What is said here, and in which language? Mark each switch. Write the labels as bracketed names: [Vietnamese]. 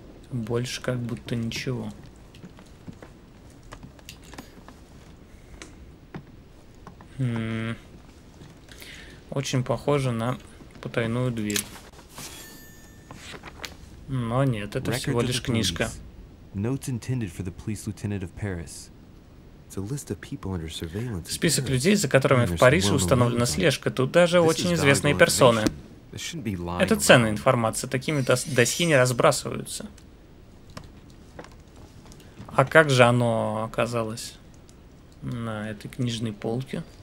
[Russian] Больше как будто ничего. Очень похоже на потайную дверь. Но нет, это Records всего лишь книжка. [English] Notes intended for the police lieutenant of Paris. It's a list of people under surveillance. [Russian] Список людей, за которыми в Париже установлена слежка. Тут даже очень известные персоны. Это ценная информация. Такими досье не разбрасываются. А как же оно оказалось на этой книжной полке?